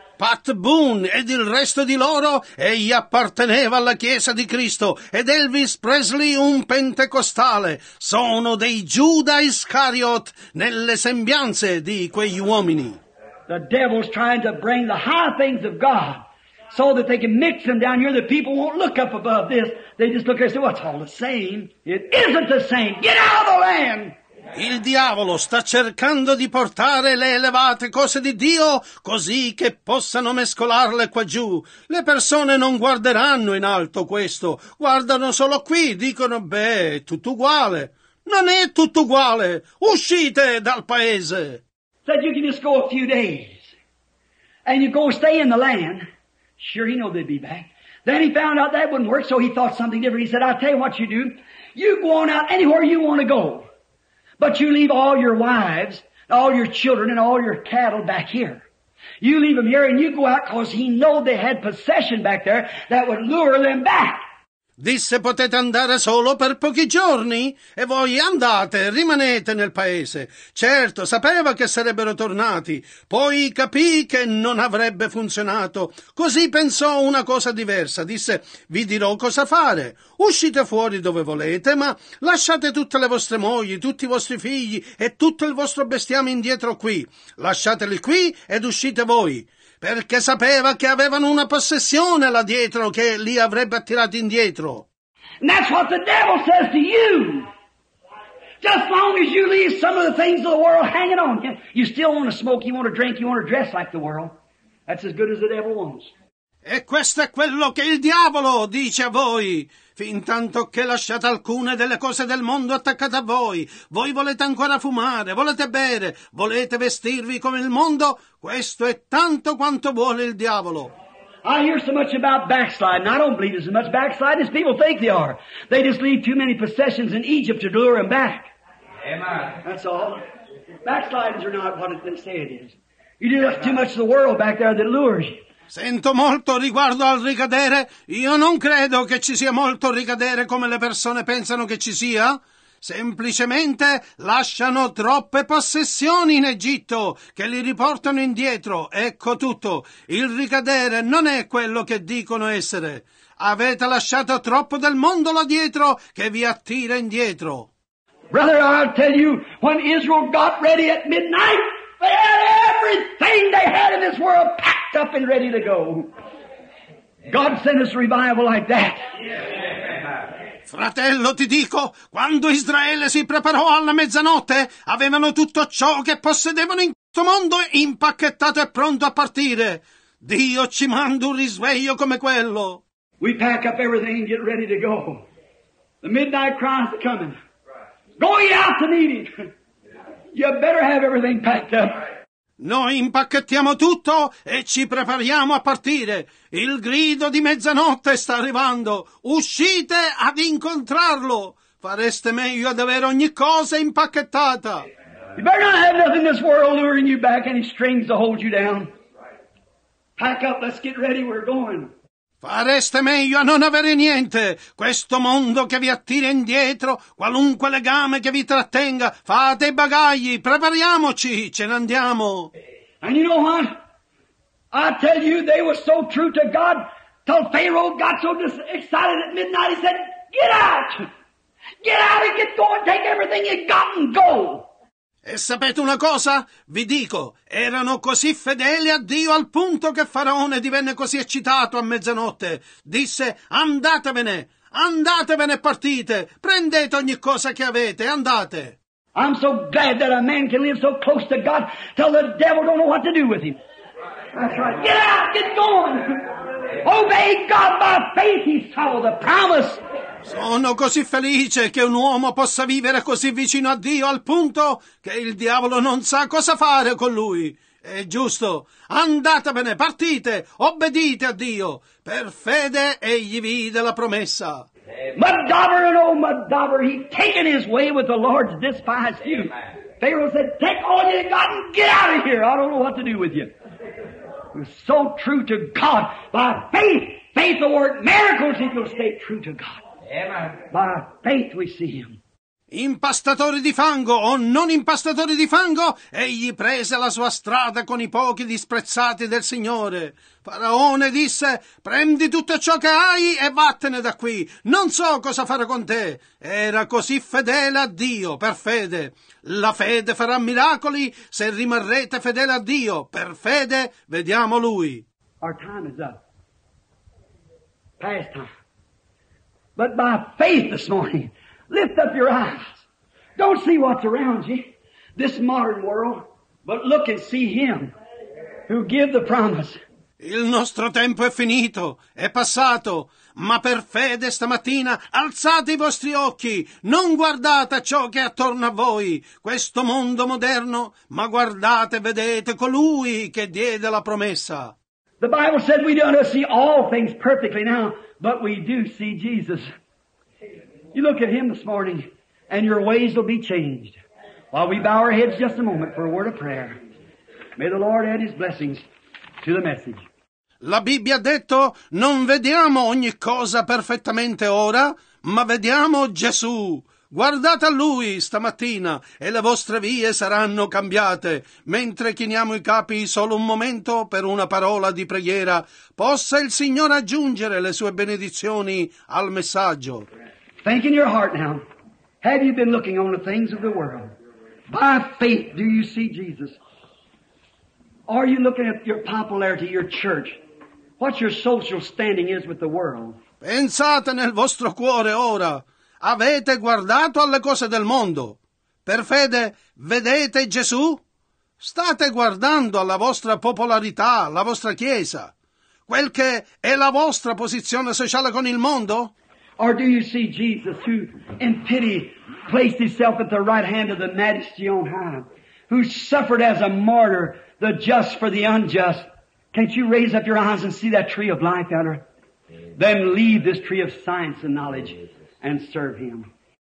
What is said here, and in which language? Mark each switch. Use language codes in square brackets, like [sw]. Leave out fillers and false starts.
[it] Pat Boone ed il resto di loro, egli apparteneva alla Chiesa di Cristo, ed Elvis Presley un pentecostale, sono dei Giuda Iscariot nelle sembianze di quegli uomini. [en] The devil's trying to bring the high things of God so that they can mix them down here. The people won't look up above this. They just look and say, well, it's all the same. It isn't the same. Get out of the land! [it] Il diavolo sta cercando di portare le elevate cose di Dio così che possano mescolarle qua giù. Le persone non guarderanno in alto questo. Guardano solo qui. Dicono, beh, è tutto uguale. Non è tutto uguale. Uscite dal paese! [en] Said you can just go a few days and you go stay in the land. Sure, he knew they'd be back. Then he found out that wouldn't work, so he thought something different. He said, I'll tell you what you do. You go on out anywhere you want to go, but you leave all your wives, all your children, and all your cattle back here. You leave them here and you go out because he knew they had possession back there that would lure them back. [it] Disse, potete andare solo per pochi giorni e voi andate, rimanete nel paese. Certo, sapeva che sarebbero tornati, poi capì che non avrebbe funzionato. Così pensò una cosa diversa, disse, vi dirò cosa fare. Uscite fuori dove volete, ma lasciate tutte le vostre mogli, tutti i vostri figli e tutto il vostro bestiame indietro qui. Lasciateli qui ed uscite voi. Perché sapeva che avevano una possessione là dietro che li avrebbe attirati indietro. [en] And that's what the devil says to you. Just as long as you leave some of the things of the world hanging on you, you still want to smoke, you want to drink, you want to dress like the world. That's as good as the devil wants. [it] E questo è quello che il diavolo dice a voi. Fintanto che lasciate alcune delle cose del mondo attaccate a voi, voi volete ancora fumare, volete bere, volete vestirvi come il mondo, questo è tanto quanto vuole il diavolo. [en] I hear so much about backsliding. I don't believe there's as much backsliding as people think they are. They just leave too many possessions in Egypt to lure them back. Amen. That's all. Backsliders are not what they say it is. You do have too much of the world back there that lures you. [it] Sento molto riguardo al ricadere. Io non credo che ci sia molto ricadere come le persone pensano che ci sia. Semplicemente lasciano troppe possessioni in Egitto che li riportano indietro. Ecco tutto. Il ricadere non è quello che dicono essere. Avete lasciato troppo del mondo là dietro che vi attira indietro. [en] Brother, I'll tell you, when Israel got ready at midnight, they had everything they had in this world packed up and ready to go. God sent us revival like that. [it] Fratello, ti dico, quando Israele si preparò alla mezzanotte, avevano tutto ciò che possedevano in questo mondo impacchettato e pronto a partire. Dio ci manda un risveglio come quello. [en] We pack up everything and get ready to go. The midnight cry is coming. Go ye out to meet him. You better have everything packed up. [it] Noi impacchettiamo tutto e ci prepariamo a partire. Il grido di mezzanotte sta arrivando. Uscite ad incontrarlo. Fareste meglio ad avere ogni cosa impacchettata. [en] You better not have nothing in this world luring you back, any strings to hold you down. Pack up, let's get ready, we're going. [it] Fareste meglio a non avere niente. Questo mondo che vi attira indietro, qualunque legame che vi trattenga, fate i bagagli, prepariamoci, ce ne andiamo. [en] And you know what? I tell you, they were so true to God, till Pharaoh got so excited at midnight, he said, get out! Get out and get going, take everything you got and go! [it] E sapete una cosa? Vi dico, erano così fedeli a Dio al punto che Faraone divenne così eccitato a mezzanotte. Disse, andatevene e partite, prendete ogni cosa che avete, andate. [en] I'm so glad that a man can live so close to God till the devil don't know what to do with him. That's right. Get out, get going. Obey God by faith, he saw the promise. [it] Sono così felice che un uomo possa vivere così vicino a Dio al punto che il diavolo non sa cosa fare con lui. È giusto. Andatevene, partite, obbedite a Dio. Per fede egli vide la promessa. [en] Madaber and oh Madaber, he taken his way with the Lord's despised you. Pharaoh said, take all you got and get out of here. I don't know what to do with you. You're so true to God. By faith, faith will work miracles if you'll stay true to God. By faith we see him. [it] Impastatore di fango o non impastatore di fango, egli prese la sua strada con i pochi disprezzati del Signore. Faraone disse, prendi tutto ciò che hai e vattene da qui. Non so cosa farò con te. Era così fedele a Dio, per fede. La fede farà miracoli se rimarrete fedele a Dio. Per fede vediamo Lui. [en] Our time is up. Past time. But by faith this morning, lift up your eyes. Don't see what's around you, this modern world, but look and see him who gave the promise. [it] Il nostro tempo è finito, è passato, ma per fede stamattina alzate i vostri occhi, non guardate ciò che è attorno a voi, questo mondo moderno, ma guardate e vedete colui che diede la promessa. [en] The Bible said we don't see all things perfectly now, but we do see Jesus. You look at him this morning, and your ways will be changed. While we bow our heads just a moment for a word of prayer, may the Lord add his blessings to the message. [it] La Bibbia ha detto, non vediamo ogni cosa perfettamente ora, ma vediamo Gesù. Guardate a Lui stamattina, e le vostre vie saranno cambiate. Mentre chiniamo i capi solo un momento per una parola di preghiera, possa il Signore aggiungere le sue benedizioni al messaggio. [en] Think in your heart now. Have you been looking on the things of the world? By faith do you see Jesus? Are you looking at your popularity, your church? What your social standing is with the world? [it] Pensate nel vostro cuore ora. Avete guardato alle cose del mondo? Per fede vedete Gesù? State guardando alla vostra popolarità, alla vostra chiesa? Quel che è la vostra posizione sociale con il mondo? [en] Or do you see Jesus who in pity placed himself at the right hand of the majesty on high, who suffered as a martyr, the just for the unjust? Can't you raise up your eyes and see that tree of life, Elder? Then leave this tree of science and knowledge and serve him.